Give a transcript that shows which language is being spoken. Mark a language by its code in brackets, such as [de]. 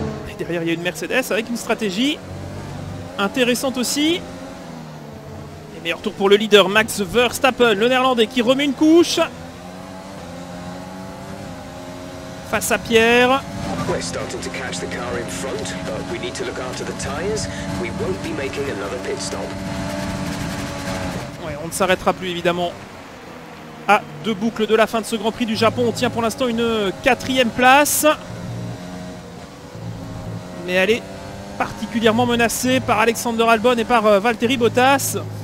[fr] Et derrière, il y a une Mercedes avec une stratégie intéressante aussi. Et meilleur tour pour le leader, Max Verstappen, le néerlandais qui remet une couche. Face à Pierre. [en] We're starting to catch the car in front, but we need to look after the tires. We won't be making another pit stop. [fr] Ouais, on ne s'arrêtera plus évidemment à deux boucles de la fin de ce Grand Prix du Japon. On tient pour l'instant une quatrième place. Mais elle est particulièrement menacée par Alexander Albon et par Valtteri Bottas.